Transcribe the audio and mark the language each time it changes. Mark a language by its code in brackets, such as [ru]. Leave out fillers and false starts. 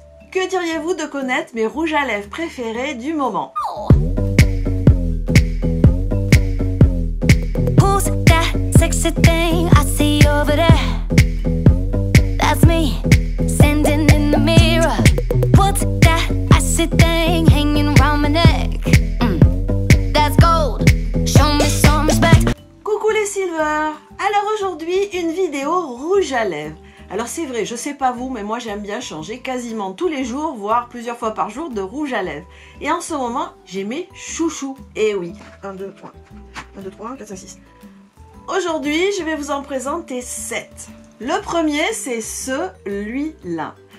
[fr] Que diriez-vous de connaître mes rouges à lèvres préférés du moment? [en] Who's that sexy thing I see over there? That's me, standing in the mirror. What's that icy thing hanging round my neck? That's gold, show me some respect. [fr] Coucou les Silver! Alors aujourd'hui, une vidéo rouge à lèvres. Alors c'est vrai, je sais pas vous, mais moi j'aime bien changer quasiment tous les jours, voire plusieurs fois par jour, de rouge à lèvres. Et en ce moment, j'ai mes chouchous. Eh oui, 1, 2, 3, 1, 2, 3, 4, 5, 6. Aujourd'hui, je vais vous en présenter 7. Le premier, c'est celui-là.